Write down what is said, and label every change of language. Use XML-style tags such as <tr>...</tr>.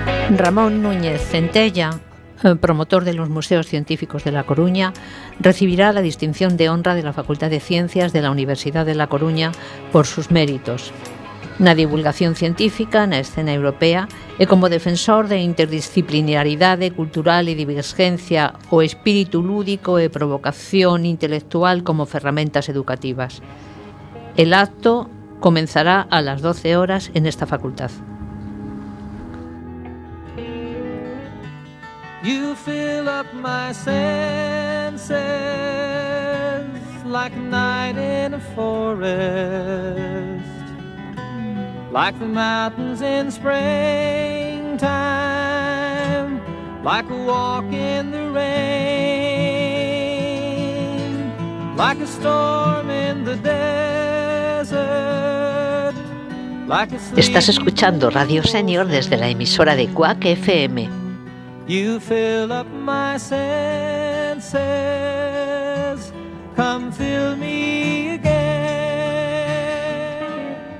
<es>Ramón Núñez Centella, promotor de los Museos Científicos de La Coruña, recibirá la distinción de honra de la Facultad de Ciencias de la Universidad de La Coruña por sus méritos</es> <gl>na divulgación científica na escena europea e como defensor de interdisciplinaridade cultural e divergencia o espírito lúdico e provocación intelectual como ferramentas educativas.</gl> <es>El acto comenzará a las 12 horas en esta facultad.</es> <en>You fill up my senses like a night in a forest, like the mountains in springtime, like a walk in the rain, like a storm in the desert. Like a sleep.</en> <es>Estás escuchando Radio Senior desde la emisora de Quack FM.</es> <en>You fill up my senses, come fill me again.</en>